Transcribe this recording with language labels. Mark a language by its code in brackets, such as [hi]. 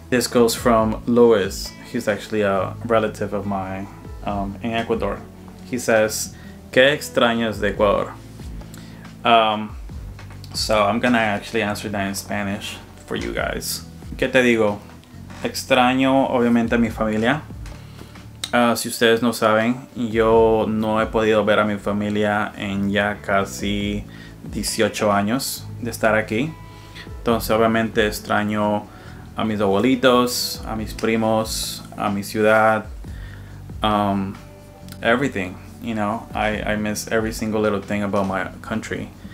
[en] This goes from Lewis. He's actually a relative of mine in Ecuador. He says, [es] ¿Qué extrañas de Ecuador? [en] So I'm going to actually answer that in Spanish for you guys. [es] ¿Qué te digo? Extraño, obviamente, a mi familia. Si ustedes no saben, yo no he podido ver a mi familia en ya casi 18 años de estar aquí. Entonces, obviamente, extraño a mis abuelitos, a mis primos, a mi ciudad. [en] Everything, you know. I miss every single little thing about my country.